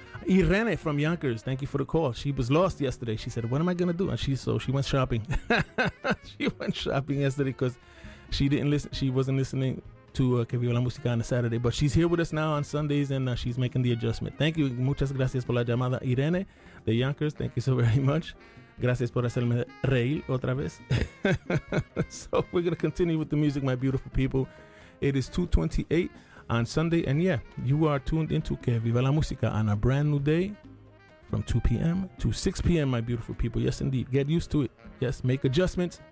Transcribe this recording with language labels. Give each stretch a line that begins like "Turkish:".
English: Irene from Yonkers, thank you for the call. She was lost yesterday. She said, what am I going to do? And she went shopping. She went shopping yesterday because she didn't listen. She wasn't listening to Que Viva La Musica on a Saturday. But she's here with us now on Sundays, and she's making the adjustment. Thank you.
Spanish: Muchas gracias por la llamada, Irene de Yonkers.
English: Thank you so very much.
Spanish: Gracias por hacerme reír otra vez.
English: So we're going to continue with the music, my beautiful people. It is 2:28 on Sunday, and yeah, you are tuned into Que Viva La Musica on a brand new day from 2 p.m. to 6 p.m., my beautiful people. Yes, indeed. Get used to it. Yes, make adjustments.